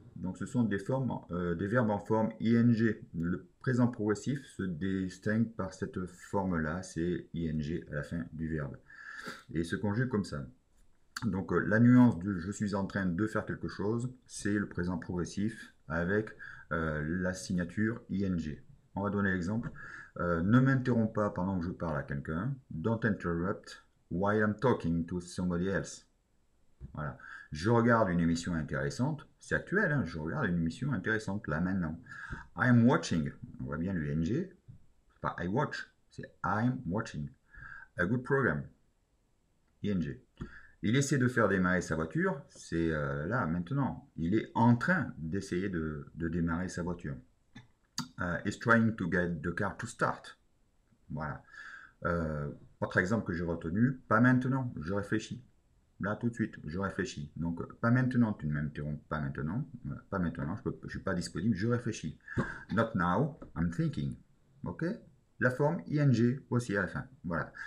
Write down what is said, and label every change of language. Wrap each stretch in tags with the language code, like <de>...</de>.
<fr>Donc, ce sont des formes, des verbes en forme ing. Le présent progressif se distingue par cette forme-là, c'est ing à la fin du verbe. Et se conjugue comme ça. Donc la nuance de je suis en train de faire quelque chose, c'est le présent progressif avec la signature ing. On va donner l'exemple. Ne m'interromps pas pendant que je parle à quelqu'un.</fr> <en>Don't interrupt while I'm talking to somebody else.</en> <fr>Voilà. Je regarde une émission intéressante. C'est actuel, hein? Je regarde une émission intéressante là maintenant.</fr> <en>I'm watching.</en> <fr>On voit bien le ing. Pas</fr> <en>I watch. C'est I'm watching. A good program. ING.</en> <fr>Il essaie de faire démarrer sa voiture, c'est là, maintenant. Il est en train d'essayer de démarrer sa voiture.</fr> <en>He's trying to get the car to start.</en> <fr>Voilà. Autre exemple que j'ai retenu, pas maintenant, je réfléchis. Là, tout de suite, je réfléchis. Donc, pas maintenant, tu ne m'interromps pas maintenant. Pas maintenant, je ne suis pas disponible, je réfléchis.</fr> <en>Not now, I'm thinking.</en> <fr>OK? La forme ing aussi à la fin. Voilà.</fr>